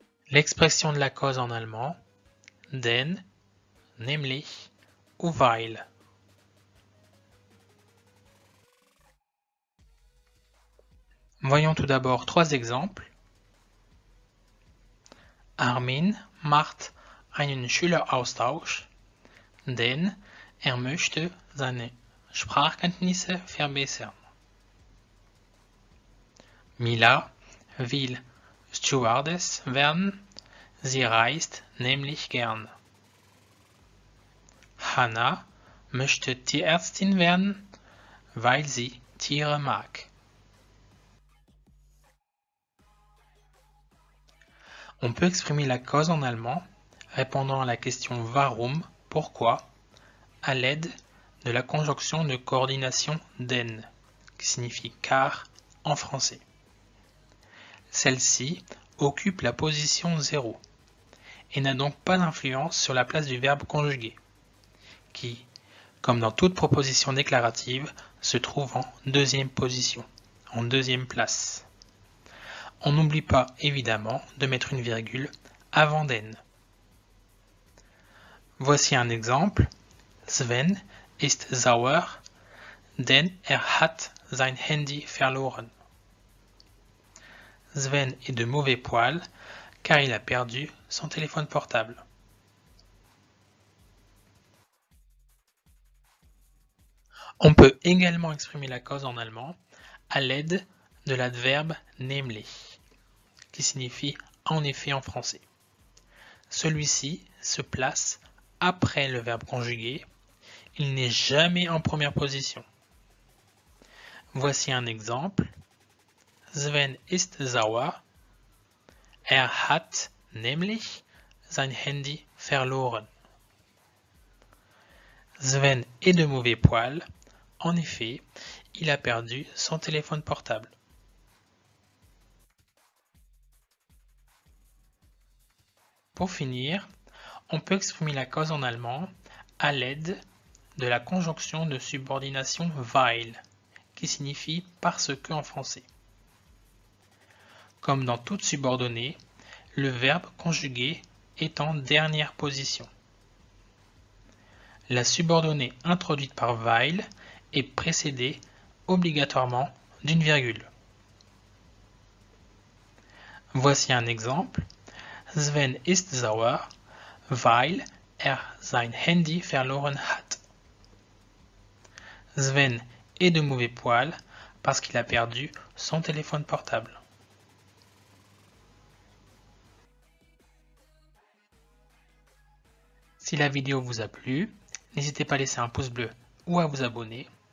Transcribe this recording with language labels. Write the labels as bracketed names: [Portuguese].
[French] L'expression de la cause en allemand, den, nämlich ou weil. Voyons tout d'abord trois exemples. [German] Armin macht einen Schüleraustausch, denn er möchte seine Sprachkenntnisse verbessern. Mila will Stewardess werden, sie reist nämlich gern. Hannah möchte Tierärztin werden, weil sie Tiere mag. [French] On peut exprimer la cause en allemand répondant à la question warum, pourquoi, à l'aide de la conjonction de coordination den, qui signifie car en français. Celle-ci occupe la position 0 et n'a donc pas d'influence sur la place du verbe conjugué, qui, comme dans toute proposition déclarative, se trouve en deuxième position, en deuxième place. On n'oublie pas évidemment de mettre une virgule avant den. Voici un exemple. [German] Sven ist sauer, denn er hat sein Handy verloren. [French] Sven est de mauvais poil car il a perdu son téléphone portable. On peut également exprimer la cause en allemand à l'aide de l'adverbe nämlich, qui signifie en effet en français. Celui-ci se place après le verbe conjugué, il n'est jamais en première position. Voici un exemple. [German] Sven ist sauer. Er hat nämlich sein Handy verloren. [French] Sven est de mauvais poil. En effet, il a perdu son téléphone portable. Pour finir, on peut exprimer la cause en allemand à l'aide de la conjonction de subordination weil, qui signifie parce que en français. Comme dans toute subordonnée, le verbe conjugué est en dernière position. La subordonnée introduite par weil est précédée obligatoirement d'une virgule. Voici un exemple. [German] Sven ist sauer, weil sein Handy verloren hat. [French] Sven est de mauvais poil parce qu'il a perdu son téléphone portable. Si la vidéo vous a plu, n'hésitez pas à laisser un pouce bleu ou à vous abonner.